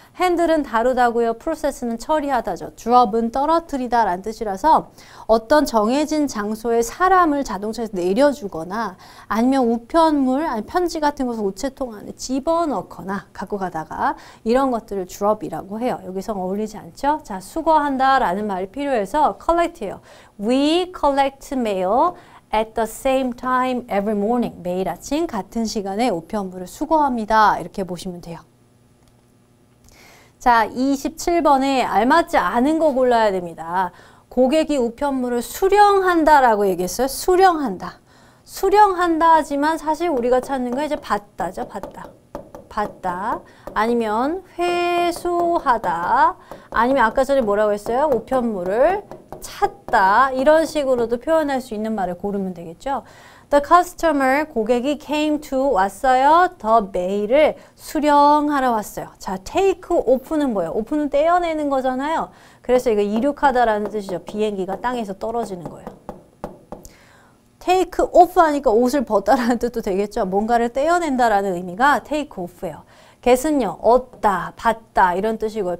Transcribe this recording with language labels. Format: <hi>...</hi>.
<ko>handle은 다루다고요. process는 처리하다죠. drop은 떨어뜨리다라는 뜻이라서 어떤 정해진 장소에 사람을 자동차에서 내려주거나 아니면 우편물, 아니 편지 같은 것을 우체통 안에 집어넣거나 갖고 가다가 이런 것들을 drop이라고 해요. 여기서 어울리지 않죠? 자, 수거한다라는 말이 필요해서 collect예요.</ko> <en>We collect mail at the same time every morning.</en> <ko>매일 아침 같은 시간에 우편물을 수거합니다. 이렇게 보시면 돼요. 자, 27번에 알맞지 않은 거 골라야 됩니다. 고객이 우편물을 수령한다라고 얘기했어요. 수령한다. 수령한다지만 사실 우리가 찾는 건 이제 받다죠. 받다. 받다. 아니면 회수하다. 아니면 아까 전에 뭐라고 했어요? 우편물을 찾다. 이런 식으로도 표현할 수 있는 말을 고르면 되겠죠.</ko> <en>The customer,</en> <ko>고객이</ko> <en>came to,</en> <ko>왔어요. The mail을 수령하러 왔어요. 자, take, open은 뭐예요? open은 떼어내는 거잖아요. 그래서 이거 이륙하다라는 뜻이죠. 비행기가 땅에서 떨어지는 거예요. take off 하니까 옷을 벗다라는 뜻도 되겠죠. 뭔가를 떼어낸다라는 의미가 take off예요. get은요, 얻다, 받다 이런 뜻이고요.</ko>